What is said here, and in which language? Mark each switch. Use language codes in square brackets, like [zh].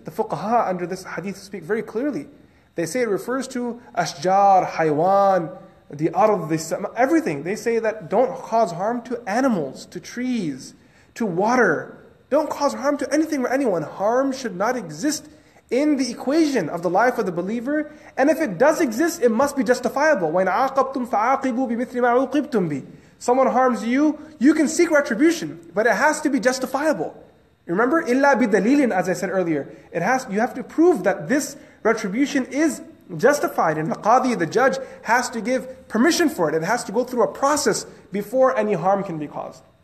[en] The fuqaha under this hadith speak very clearly. They say it refers to ashjar, haywan, the ardh, the sama, everything. They say that don't cause harm to animals, to trees, to water. Don't cause harm to anything or anyone. Harm should not exist in the equation of the life of the believer. And if it does exist, it must be justifiable. [ar] When عَاقَبْتُمْ فَعَاقِبُوا بِمِثْلِ مَا عُوقِبْتُمْ بِ. [en] Someone harms you, you can seek retribution, but it has to be justifiable. Remember, [ar] إِلَّا بِدَلِيلٍ, [en] as I said earlier. You have to prove that this retribution is justified, and the qadi, the judge, has to give permission for it. It has to go through a process before any harm can be caused.